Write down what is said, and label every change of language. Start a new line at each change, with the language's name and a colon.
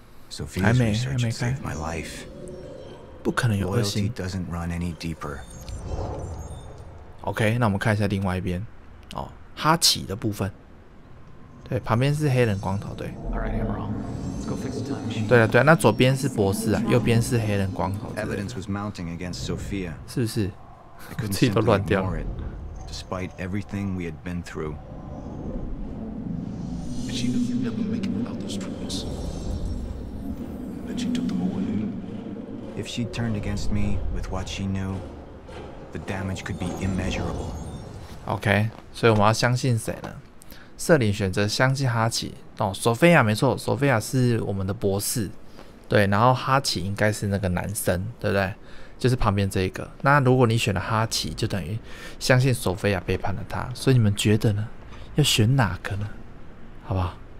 English: Sophia's research saved my life.
Chinese: 不可能有恶心。
English: Loyalty doesn't run any deeper.
Chinese: OK， 那我们看一下另外一边，哦，哈奇的部分。对，旁边是黑人光头，对。
English: All right, Amaral. Let's go fix the time machine.
Chinese: 对了，对了，那左边是博士啊，右边是黑人光头。
English: Evidence was mounting against Sophia.
Chinese: 是不是？气都乱掉了。
English: Despite everything we had been through, but she knew you'd never make it without those treatments. But she took them away. If she turned against me with what she knew, the damage could be immeasurable.
Chinese: OK， 所以我们要相信谁呢？瑟琳选择相信哈奇。哦，索菲亚没错，索菲亚是我们的博士。对，然后哈奇应该是那个男生，对不对？就是旁边这一个。那如果你选了哈奇，就等于相信索菲亚背叛了他。所以你们觉得呢？要选哪个呢？好不好？